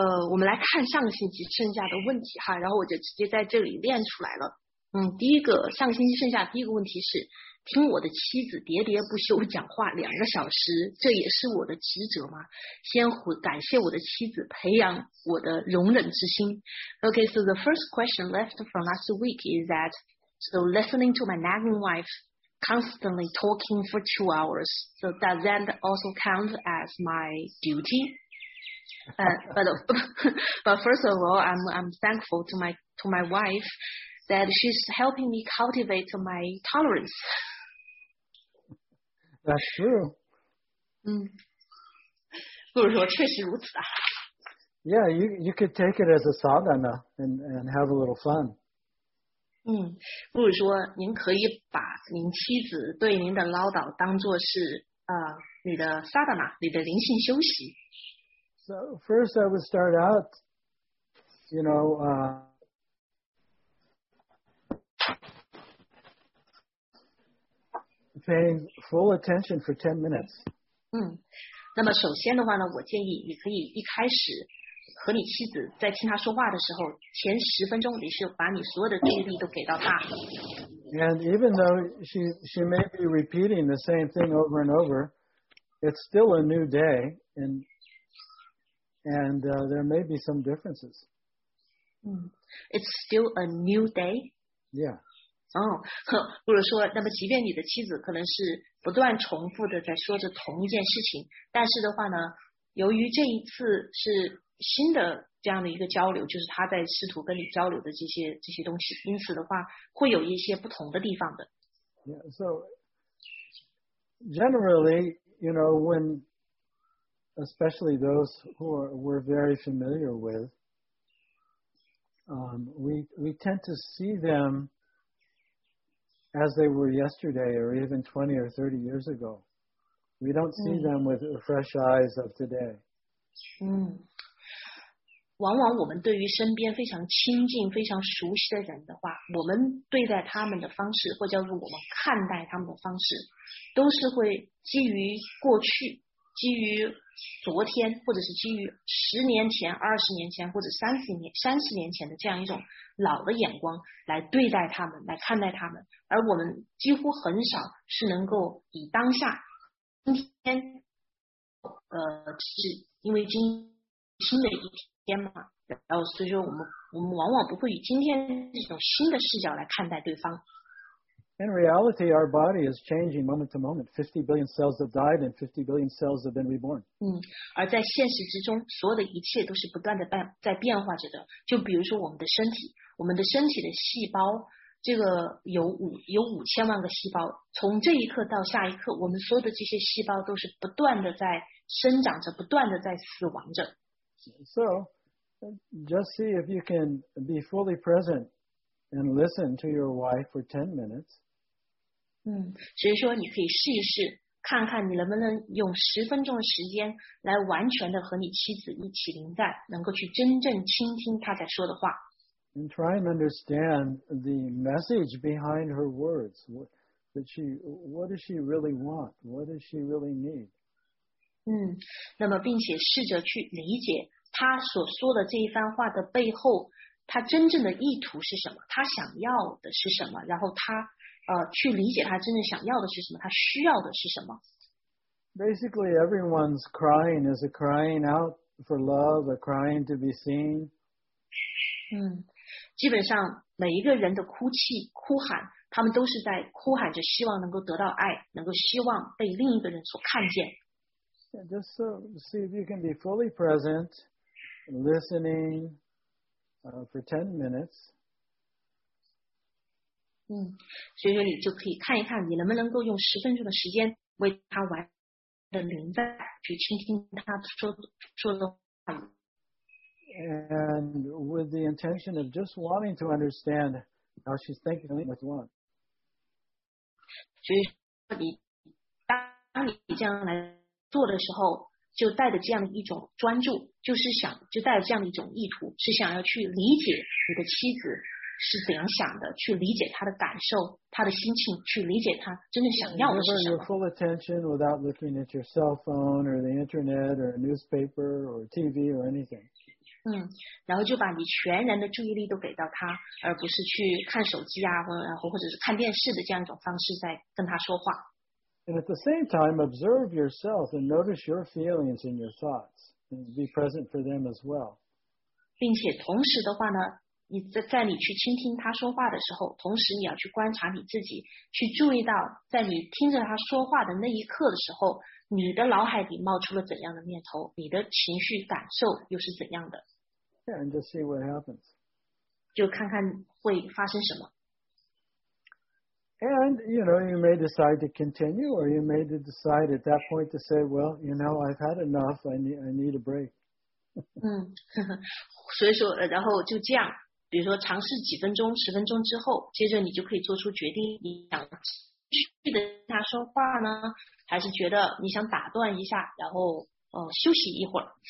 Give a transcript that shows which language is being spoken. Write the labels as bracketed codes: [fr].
[zh] 我们来看上星期剩下的问题哈，然后我就直接在这里练出来了。第一个上星期剩下第一个问题是，听我的妻子喋喋不休讲话两个小时，这也是我的职责吗？先感谢我的妻子，培养我的容忍之心。 [en] Okay, so the first question left from last week is that, so listening to my nagging wife constantly talking for 2 hours, so does that also count as my duty? But first of all, I'm thankful to my wife. That she's helping me cultivate my tolerance. That's true. Yeah, you could take it as a sadhana and have a little fun. [zh] 嗯，不如说您可以把您妻子对您的唠叨当作是你的 sadhana， 你的灵性休息。 [en] So first, I would start out, you know, paying full attention for 10 minutes. [zh] 嗯，那么首先的话呢，我建议你可以一开始。和你妻子在听他说话的时候，前十分钟你是把你所有的注意力都给到他。 [en] And even though she may be repeating the same thing over and over, it's still a new day, and there may be some differences. It's still a new day. Yeah. [zh] 哦，或者说，那么即便你的妻子可能是不断重复的在说着同一件事情，但是的话呢，由于这一次是。新的这样的一个交流，就是他在试图跟你交流的这些东西，因此的话，会有一些不同的地方的。 [en] Yeah, so generally, you know, when especially those who we're very familiar with, we tend to see them as they were yesterday, or even 20 or 30 years ago. We don't see them with fresh eyes of today. 嗯。 [zh] 往往我们对于身边非常亲近非常熟悉的人的话，我们对待他们的方式或叫做我们看待他们的方式，都是会基于过去，基于昨天，或者是基于10年前、20年前或者30年前的这样一种老的眼光来对待他们，来看待他们，而我们几乎很少是能够以当下今天是因为今新的一天天嘛，然后所以说我们往往不会以今天这种新的视角来看待对方。 [en] In reality, our body is changing moment to moment. 50 billion cells have died, and 50 billion cells have been reborn. [zh] 嗯，而在现实之中，所有的一切都是不断的在变化着的。就比如说我们的身体的细胞，这个有五千万个细胞。从这一刻到下一刻，我们所有的这些细胞都是不断的在生长着，不断的在死亡着。 [en] So, just see if you can be fully present and listen to your wife for 10 minutes. [zh] 嗯，所以说你可以试一试，看看你能不能用十分钟的时间来完全的和你妻子一起临在，能够去真正倾听她在说的话。 [en] And try and understand the message behind her words. What does she really want? What does she really need? [zh] 嗯，那么并且试着去理解。他所说的这一番话的背后，他真正的意图是什么？他想要的是什么？然后他去理解他真正想要的是什么？他需要的是什么 [en] ？Basically, everyone's crying is a crying out for love, a crying to be seen. [zh] 嗯，基本上每一个人的哭泣、哭喊，他们都是在哭喊着希望能够得到爱，能够希望被另一个人所看见。 [en] Yeah, just so see if you can be fully present. Listening for 10 minutes. [zh] 嗯，所以说你就可以看一看你能不能够用十分钟的时间为他完的明白去倾听他说的话语。 [en] And with the intention of just wanting to understand how she's thinking with one. [zh] 所以说当你这样来做的时候。就带着这样一种专注，就是想就带着这样一种意图，是想要去理解你的妻子是怎样想的，去理解她的感受，她的心情，去理解她真正想要的是什么。 [en] Giving full attention without looking at your cell phone or the internet or newspaper or TV or anything. [zh] 嗯，然后就把你全然的注意力都给到她，而不是去看手机啊，或者是看电视的这样一种方式在跟她说话。 [en] And at the same time, observe yourself and notice your feelings and your thoughts, and be present for them as well. [zh] 并且同时的话呢，你在你去倾听他说话的时候，同时你要去观察你自己，去注意到在你听着他说话的那一刻的时候，你的脑海里冒出了怎样的念头，你的情绪感受又是怎样的。 [en] Yeah, and just see what happens. [zh] 就看看会发生什么。 [en] And, you know, you may decide to continue, or you may decide at that point to say, well, you know, I've had enough, I need a break. [zh] 所以说，然后就这样，比如说尝试几分钟、十分钟之后，接着你就可以做出决定，你想继续跟他说话呢，还是觉得你想打断一下，然后休息一会儿。